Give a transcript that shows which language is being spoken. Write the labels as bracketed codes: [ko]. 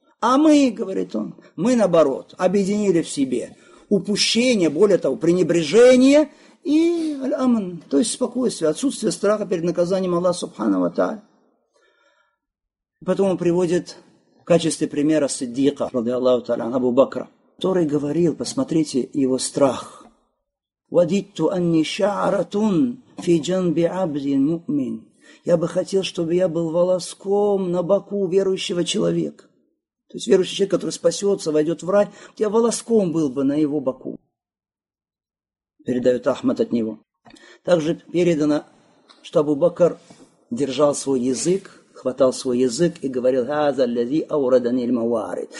[ru] А мы, говорит он, мы наоборот, объединили в себе упущение, более того, пренебрежение и аль-аман, то есть спокойствие, отсутствие страха перед наказанием Аллаха Субхана ва Тааля. Потом он приводит в качестве примера Сиддика, ради Аллаху Тааля, Абу Бакра, который говорил, посмотрите, его страх. [ar] وددت أني شعرة في جنب عبد مؤمن. [ru] Я бы хотел, чтобы я был волоском на боку верующего человека. То есть верующий человек, который спасется, войдет в рай, я волоском был бы на его боку. Передает Ахмад от него. Также передано, что Абу Бакр держал свой язык, хватал свой язык и говорил: «Хаза ляди аураданиль маварид».